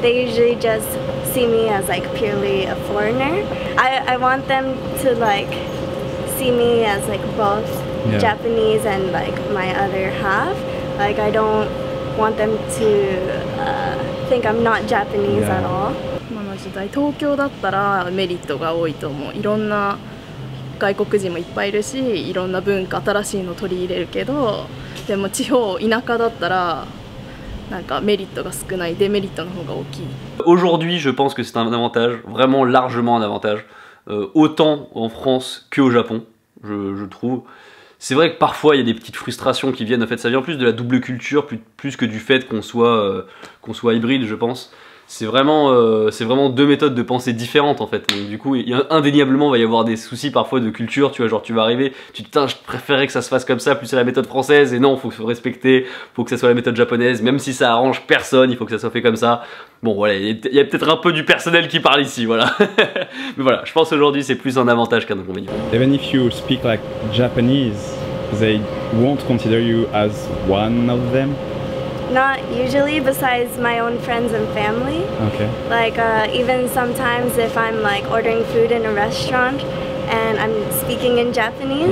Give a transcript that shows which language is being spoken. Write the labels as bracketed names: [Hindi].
[English] They usually just see me as like purely a foreigner. I want them to like see me as like both Yeah. Japanese and like my other half. Like I don't want them to think I'm not Japanese at all. [Japanese] 今の時代、東京だったらメリットが多いと思う。いろんな外国人もいっぱいいるし、いろんな文化、新しいの取り入れるけど、でも地方、田舎だったら、なんかメリットが少ない、デメリットの方が大きい。 [French] Aujourd'hui, je pense que c'est un avantage, vraiment largement un avantage, autant en France qu'au Japon, je trouve. C'est vrai que parfois il y a des petites frustrations qui viennent, en fait ça vient plus de la double culture, plus que du fait qu'on soit hybride je pense. C'est vraiment deux méthodes de pensée différentes en fait. Donc, du coup indéniablement il va y avoir des soucis parfois de culture, tu vois, genre tu vas arriver, putain je préférais que ça se fasse comme ça, plus c'est la méthode française, et non faut se respecter, faut que ça soit la méthode japonaise, même si ça arrange personne, il faut que ça soit fait comme ça. Bon voilà, il y a peut-être un peu du personnel qui parle ici, voilà. Mais voilà, je pense aujourd'hui c'est plus un avantage qu'un inconvénient. [English] Even if you speak like Japanese, they won't consider you as one of them? Not usually, besides my own friends and family. Okay. Like even sometimes if I'm like ordering food in a restaurant and I'm speaking in Japanese,